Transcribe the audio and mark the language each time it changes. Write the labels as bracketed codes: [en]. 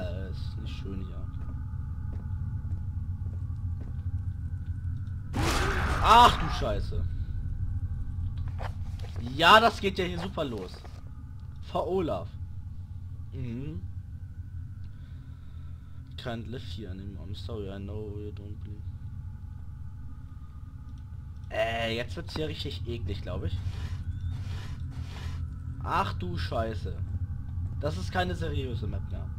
[de] Ist nicht schön hier. Ach du Scheiße. Ja, das geht ja hier super los. Frau Olaf. [en] Can't live here anymore. I'm sorry, I know you don't believe. [de] Jetzt wird's hier richtig eklig, glaube ich. Ach du Scheiße. Das ist keine seriöse Map mehr.